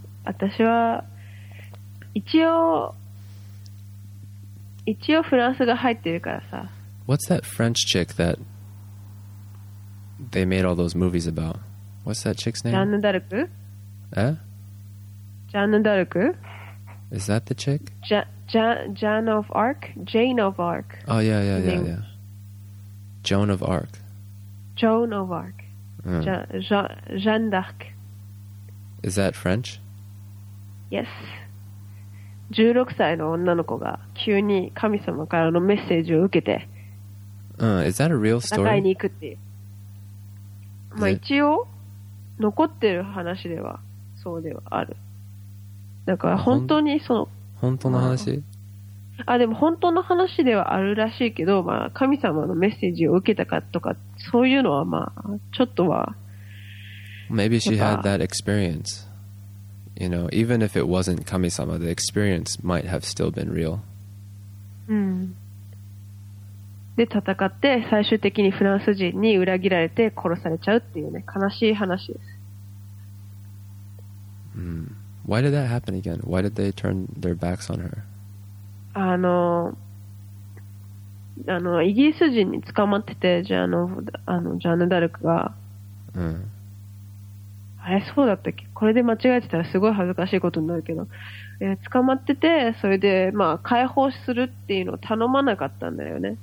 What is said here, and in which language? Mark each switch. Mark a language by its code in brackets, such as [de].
[ja] 私は一応フランスが入ってるからさ。 [en] What's that French chick that they made all those movies about? What's that chick's name? Jeanne d'Arc? Eh? Jeanne d'Arc? Is that the chick? Jeanne of Arc? Jane of Arc. Oh, yeah, yeah, yeah, yeah. Joan of Arc. Joan of Arc. Jeanne d'Arc. Is that French? Yes. [ja] 16歳の女の子が急に神様からのメッセージを受けて、 [en] is that a real story? [ja] 戦いに行くっていう。まあ一応残ってる話ではそうではある。だから本当にその本当の話？あ、でも本当の話ではあるらしいけど、まあ神様のメッセージを受けたかとかそういうのはまあちょっとは。 [en] Maybe she had that experience. You know, even if it wasn't Kamisama, the experience might have still been real. [ja] で、戦って最終的にフランス人に裏切られて殺されちゃうっていうね、悲しい話です。 [en] Why did that happen again? Why did they turn their backs on her? [ja] あの、イギリス人に捕まってて、あのジャンヌ・ダルクが。あれそうだったっけ？これで間違えてたらすごい恥ずかしいことになるけど、捕まっててそれでまあ解放するっていうのを頼まなかったんだよね。